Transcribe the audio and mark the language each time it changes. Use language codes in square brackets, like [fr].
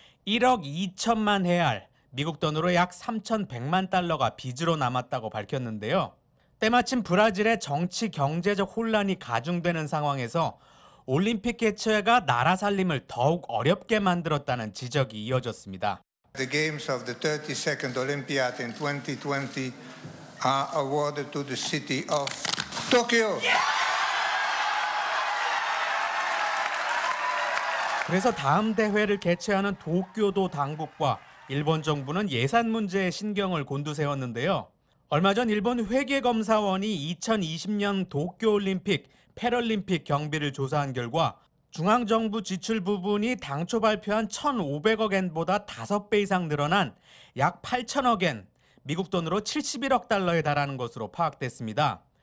[ko] 1억 2천만 헤알, 미국 돈으로 약 3,100만 달러가 빚으로 남았다고 밝혔는데요. 때마침 브라질의 정치 경제적 혼란이 가중되는 상황에서 올림픽 개최가 나라 살림을 더욱 어렵게 만들었다는 지적이 이어졌습니다. [en] The games of the 32nd Olympiad in 2020 are awarded to the city of Tokyo. Yeah! [ko] 그래서 다음 대회를 개최하는 도쿄도 당국과 일본 정부는 예산 문제에 신경을 곤두세웠는데요. 얼마 전 일본 회계검사원이 2020년 도쿄올림픽, 패럴림픽 경비를 조사한 결과 중앙정부 지출 부분이 당초 발표한 1,500억 엔보다 5배 이상 늘어난 약 8,000억 엔, 미국 돈으로 71억 달러에 달하는 것으로 파악됐습니다.